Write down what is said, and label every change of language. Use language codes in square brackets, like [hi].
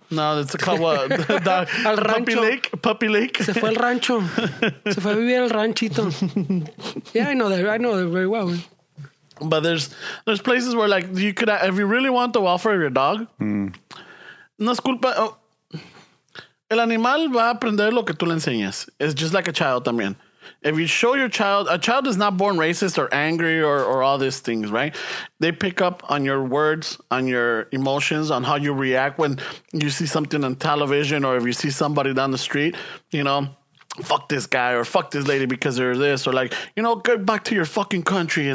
[en] No, it's a couple dog. [es] Al rancho. [en] Puppy Lake. [es] Se fue al rancho. Se fue a vivir al ranchito. [en] Yeah, I know that very well. But there's places where like you could, if you really want the welfare of your dog, [es] no es culpa. El animal va a aprender lo que tú le enseñas. [en] It's just like a child [es] también. [en] If you show your child, a child is not born racist or angry or all these things, right? They pick up on your words, on your emotions, on how you react when you see something on television or if you see somebody down the street, you know, fuck this guy or fuck this lady because they're this, or like, you know, go back to your fucking country.